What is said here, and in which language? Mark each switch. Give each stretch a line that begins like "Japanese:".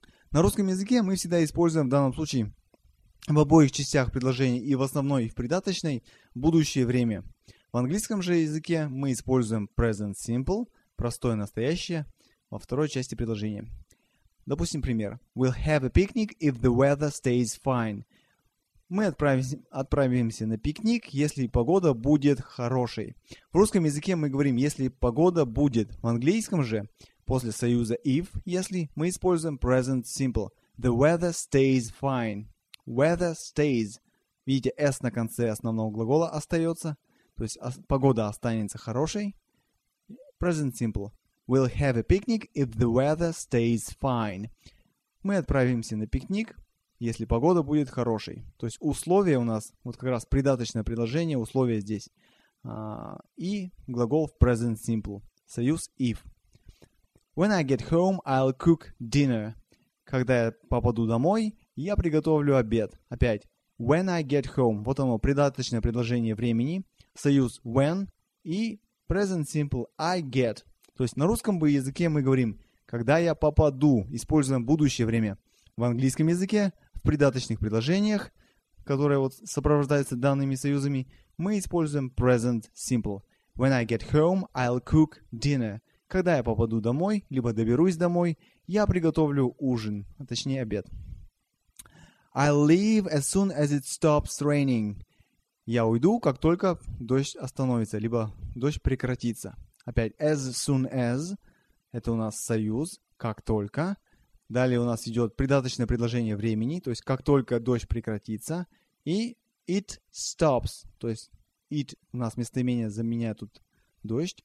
Russian: На русском языке мы всегда используем в данном случае в обоих частях предложения и в основной, и в придаточной – будущее время. В английском же языке мы используем present simple – простое настоящее – во второй части предложения. Допустим, пример.
English: We'll have a picnic if the weather stays fine.
Russian: Мы отправимся на пикник, если погода будет хорошей. В русском языке мы говорим «если погода будет». В английском же после союза if – если мы используем present simple –
English: the weather stays fine. Weather stays.
Russian: Видите, s на конце основного глагола остается. То есть погода останется хорошей.
English: Present simple. We'll have a picnic if the weather stays fine.
Russian: Мы отправимся на пикник, если погода будет хорошей. То есть условия у нас, вот как раз придаточное предложение, условия здесь. И глагол в present simple. Союз if.
English: When I get home, I'll cook dinner.
Russian: Когда я попаду домой, я приготовлю обед. Опять.
English: When I get home.
Russian: Вот оно, придаточное предложение времени. Союз when и present simple
English: I get.
Russian: То есть на русском бы языке мы говорим, когда я попаду, используем будущее время. В английском языке, в придаточных предложениях, которые вот сопровождаются данными союзами, мы используем present simple.
English: When I get home, I'll cook dinner.
Russian: Когда я попаду домой, либо доберусь домой, я приготовлю ужин, а точнее обед.
English: I'll leave as soon as it stops raining.
Russian: Я уйду, как только дождь остановится, либо дождь прекратится. Опять,
English: as soon as,
Russian: это у нас союз, как только. Далее у нас идет придаточное предложение времени, то есть как только дождь прекратится. И
English: it stops,
Russian: то есть it у нас местоимение заменяет тут дождь.